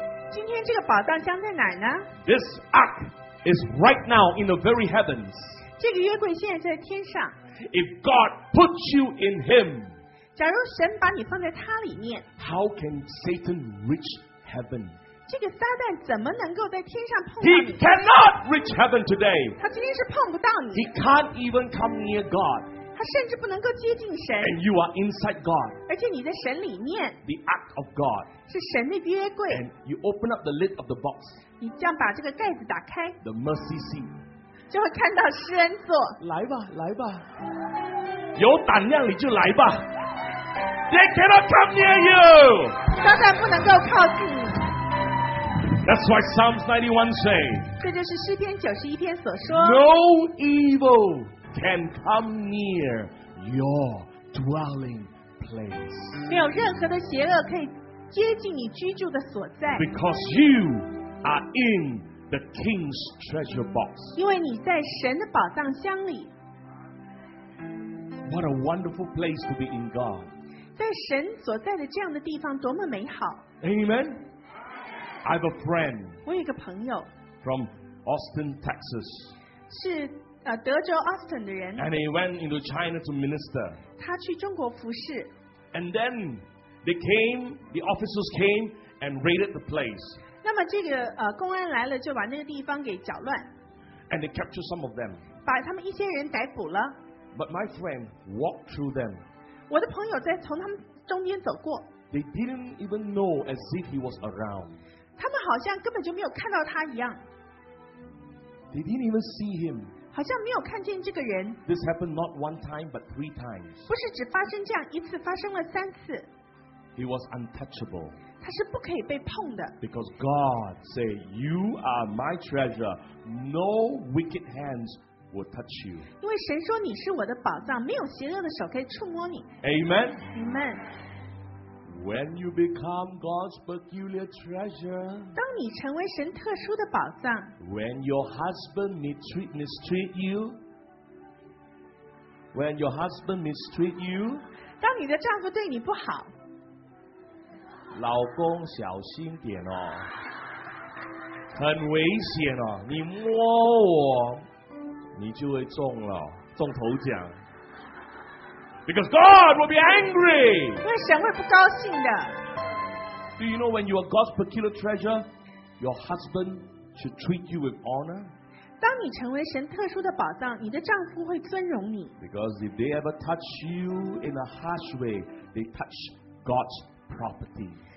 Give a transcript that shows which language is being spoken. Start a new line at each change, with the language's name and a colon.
Chinese: 今天这个宝藏箱在哪儿呢？
English: This ark is right now in the very heavens.
Chinese: 这个约柜现在在天上。
English: If God puts you in Him.
Chinese: 假如神把你放在他里面,
English: How can Satan reach heaven?
Chinese: 这个撒旦怎么能够在天上碰到你?
English: He cannot reach heaven today.
Chinese: 他今天是碰不到你。
English: He can't even come near God.
Chinese: 他甚至不能够接近神。
English: And you are inside God.
Chinese: 而且你在神里面。
English: The ark of God.
Chinese: 是神的约柜。
English: And you open up the lid of the box.
Chinese: 你这样把这个盖子打开。
English: The mercy seat.
Chinese: 就会看到施恩座。来吧, 来吧。有胆量你就来吧。
English: They cannot come near you.
Chinese: 撒旦不能够靠近你。
English: That's why Psalms 91 says.
Chinese: 这就是诗篇91篇所说。
English: No evil can come near your dwelling place.
Chinese: 没有任何的邪恶可以接近你居住的所在。
English: Because you are in the King's treasure box.
Chinese: 因为你在神的宝藏箱里。
English: What a wonderful place to be in God.
Chinese: 在神所在的这样的地方多么美好。
English: Amen. I have a friend.
Chinese: 我有一个朋友。
English: From Austin, Texas.
Chinese: 是德州 Austin的人。
English: And he went into China to minister.
Chinese: 他去中国服事。
English: And then they came, the officers came and raided the place.
Chinese: 那么这个公安来了就把那个地方给搅乱。
English: And they captured some of them.
Chinese: 把他们一些人逮捕了。
English: But my friend walked through them.
Chinese: 我的朋友在从他们中间走过。
English: They didn't even know as if he was around.
Chinese: 他们好像根本就没有看到他一样。
English: They didn't even see him.
Chinese: 好像没有看见这个人。
English: This happened not one time but three times.
Chinese: 不是只发生这样一次，发生了三次。
English: He was untouchable.
Chinese: 他是不可以被碰的。
English: Because God said, "You are my treasure. No wicked hands." Will touch you.
Chinese: 因为神说你是我的宝藏, 没有邪恶的手可以触摸你。
English: Amen. Amen. When you become God's peculiar treasure,
Chinese: 当你成为神特殊的宝藏,
English: when your husband mistreats you, when your husband mistreats you,
Chinese: 当你的丈夫对你不好, 老公小心点哦, 很危险哦, 你摸我, 你就会中了，中头奖。
English: Because God will be angry.
Chinese: 因为神会不高兴的。
English: Do you know when you are God's peculiar treasure, your husband should treat you with honor?
Chinese: 当你成为神特殊的宝藏, 你的丈夫会尊荣你。
English: Because if they ever touch you in a harsh way, they touch God's property.